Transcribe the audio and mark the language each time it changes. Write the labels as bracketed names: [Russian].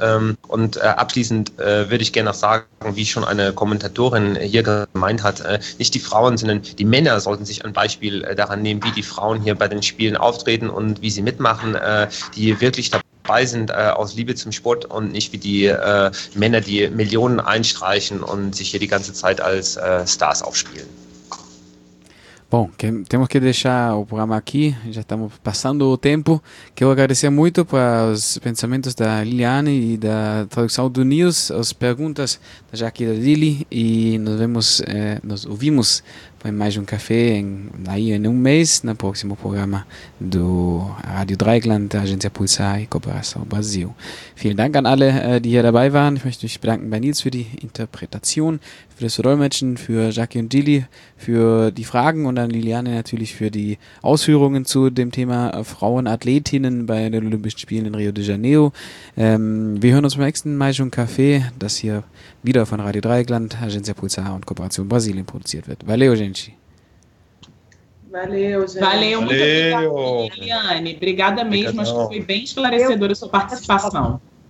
[German] Abschließend würde ich gerne noch sagen, wie schon eine Kommentatorin hier gemeint hat, nicht die Frauen, sondern die Männer sollten sich ein Beispiel daran nehmen, wie die Frauen hier bei den Spielen auftreten und wie sie mitmachen, die wirklich dabei sind aus Liebe zum Sport und nicht wie die Männer, die Millionen einstreichen und sich hier die ganze Zeit als Stars aufspielen. [Portuguese] Bom, temos que deixar o programa aqui, já estamos passando o tempo. Quero agradecer muito para os pensamentos da Liliane e da tradução do Nils, as perguntas da Jaque e da Lili, e nos vemos, nos ouvimos para mais um café aí em um mês, no próximo programa do Rádio Dreigland, da Agência Pulsar e Cooperação Brasil. [German] Vielen Dank an alle, die hier dabei waren. Ich möchte mich bedanken bei Nils für die Interpretation, für das Dolmetschen, für Jackie und Dili, für die Fragen und an Liliane natürlich für die Ausführungen zu dem Thema Frauenathletinnen bei den Olympischen Spielen in Rio de Janeiro. Wir hören uns beim nächsten Maijun Café, das hier wieder von Radio Dreieckland, Agencia Pulsar und Kooperation Brasilien produziert wird. [Portuguese] Valeu, gente! Valeu, gente. Valeu, muito obrigada, Liliane. Obrigada mesmo, acho que foi bem esclarecedora a sua participação.